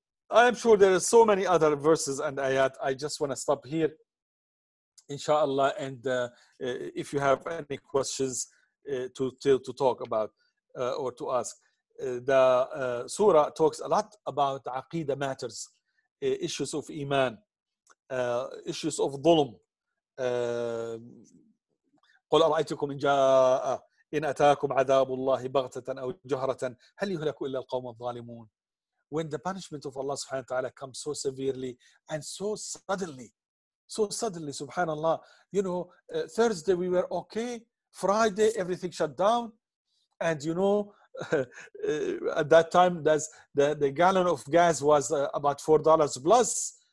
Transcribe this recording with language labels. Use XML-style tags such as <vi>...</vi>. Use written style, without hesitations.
<en>I am sure there are so many other verses and ayat. I just want to stop here, inshallah, and if you have any questions to talk about or to ask. The surah talks a lot about aqidah matters, issues of iman. Issues of ظلم.</en> <ar>قل أرأيتكم إن جاء إن أتاكم عذاب الله بغتة أو جهرة هل يهلك إلا القوم الظالمون.</ar> <en>When the punishment of Allah subhanahu wa ta'ala comes so severely and so suddenly subhanallah, you know, Thursday we were okay, Friday everything shut down, and you know, at that time the gallon of gas was about $4 plus.</en>